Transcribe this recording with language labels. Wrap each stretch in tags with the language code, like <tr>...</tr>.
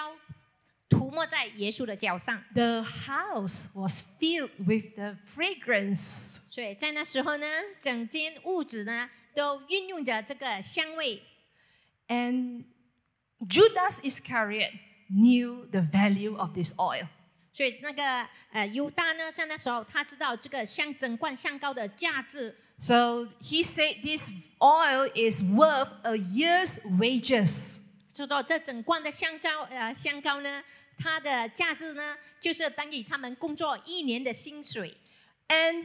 <zh>甚至呢，她用这个她的头发呢，把这个香膏涂抹在耶稣的脚上。</zh> <en>The house was filled with the fragrance.</en> <zh>所以在那时候呢，整间屋子呢都运用着这个香味。</zh> <en>And Judas Iscariot knew the value of this oil.</en> <zh>所以那个犹大呢，在那时候他知道这个整罐香膏的价值。</zh> <en>So he said this oil is worth a year's wages.</en> <zh>说到这整罐的香膏，它的价值呢，就是等于他们工作一年的薪水。</zh> <en>And</en>